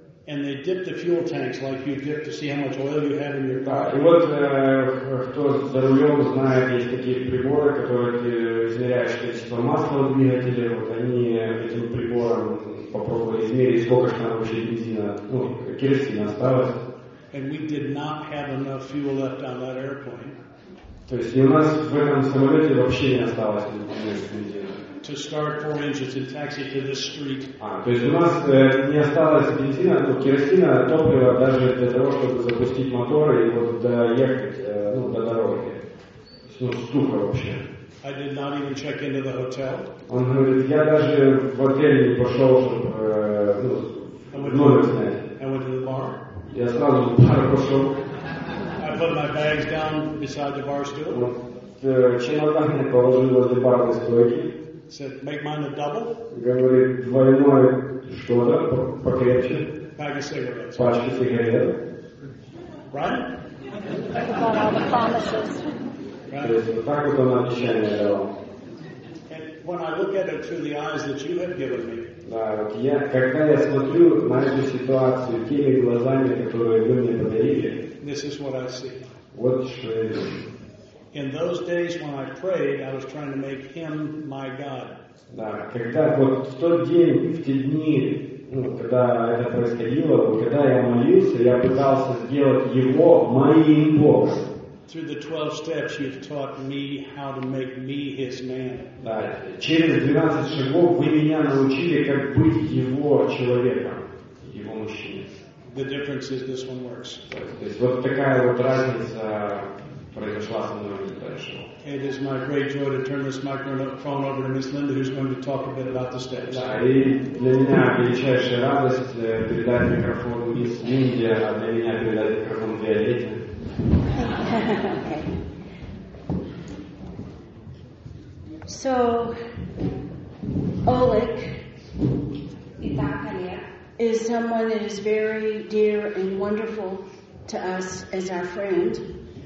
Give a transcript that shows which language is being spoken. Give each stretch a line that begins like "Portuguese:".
English: And they dip the fuel tanks like you dip to see how much oil you have in your car.
Russian: Да, и вот кто за рулем знает, есть такие приборы, которые ты измеряешь количество масла в двигателе. Вот они этим прибором попробовали измерить, сколько же там вообще бензина, ну, керосина осталось.
English: And we did not have enough fuel left on that airplane.
Russian: То есть и у нас в этом самолете вообще не осталось бензина.
English: To start 4 inches and taxi to this street.
Russian: А, то есть у нас не осталось бензина, то керосина, топлива даже для того, чтобы запустить моторы и вот доехать, ну, до дороги. Ну, ступор вообще.
English: I did not even check into the hotel.
Russian: Он говорит, я даже в отель не пошел, чтобы, ну, номер снять.
English: I went to the bar.
Russian: Я сразу в бар пошел.
English: I put my bags down beside the bar stool.
Russian: Вот, чемодан я положил возле барной стойки.
English: Said, make mine a double.
Russian: Говорит, двойное что-то, покрепче.
English: Bag of cigarettes.
Russian: Пачки сигарет.
English: Right? About all the promises. Right. And when I look at it through the eyes that you have given me.
Russian: Да, вот я, когда я смотрю на эту ситуацию теми глазами, которые вы мне подарили.
English: This is what I see.
Russian: Вот что я вижу.
English: In those days when I prayed, I was trying to make him my God.
Russian: Да, когда вот в тот день, в те дни, ну, когда это происходило, вот, когда я молился, я пытался сделать его моим Богом.
English: Through the 12 steps, you've taught me how to make me his man.
Russian: Да, через 12 шагов вы меня научили, как быть его человеком, его мужчиной.
English: The difference is this one works.
Russian: То есть вот такая вот разница.
English: It is my great joy to turn this microphone over to Miss Linda, who's going to talk a bit about the steps.
Russian: Да, и для меня величайшая радость передать микрофон мисс Линде, а для меня передать микрофон Виолетте.
English: So, Oleg is someone that is very dear and wonderful to us as our friend.